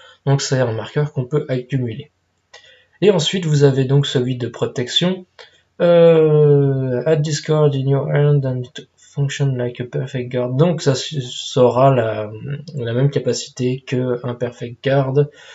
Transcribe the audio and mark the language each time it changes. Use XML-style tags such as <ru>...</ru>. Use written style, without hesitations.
<fr>Donc, c'est un marqueur qu'on peut accumuler. Et ensuite, vous avez donc celui de protection.</fr> <en>Add this card in your hand and function like a perfect guard.</en> <fr>Donc, ça sera la même capacité qu'un perfect guard.</fr>